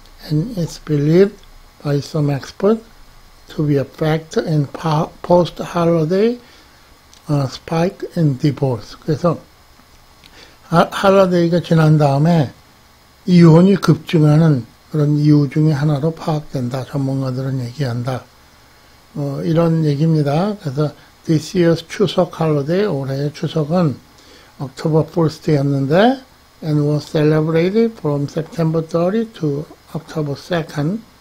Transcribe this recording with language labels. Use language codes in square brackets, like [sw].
[en] And it's believed by some experts to be a factor in post-holiday spike in divorce. [ko] 그래서 할러데이가 지난 다음에 이혼이 급증하는 그런 이유 중에 하나로 파악된다. 전문가들은 얘기한다. 이런 얘기입니다. [en] 그래서 this year's 추석 holiday, [ko] 올해의 추석은 [en] October 1st였는데 and was celebrated from September 30 to October 2nd.